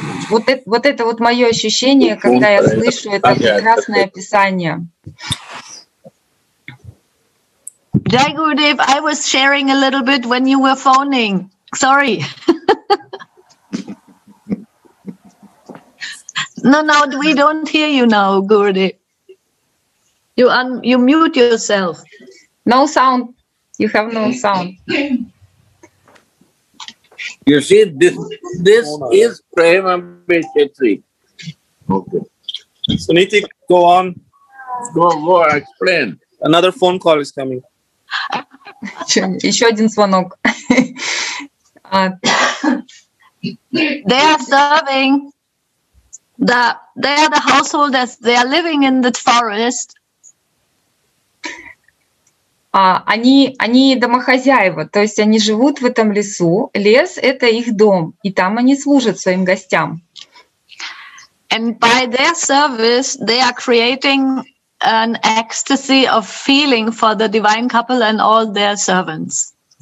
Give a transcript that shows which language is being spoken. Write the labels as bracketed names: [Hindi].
[Russian] Вот это мое ощущение, когда я слышу это прекрасное описание. [English] Jai Gurudev, I was sharing a little bit when you were phoning. Sorry. No, we don't hear you now, Gurudev. You mute yourself. No sound. You have no sound. You see, this is Prema Bishetri. Okay. Suniti, go on. Go, explain. Another phone call is coming. [Russian] Еще один звонок. [English] They are serving the householders. They are living in the forest. [Russian] Они домохозяева, то есть они живут в этом лесу. Лес — это их дом, и там они служат своим гостям. [English] And by their service, they are creating an ecstasy of feeling for the divine couple and all their servants.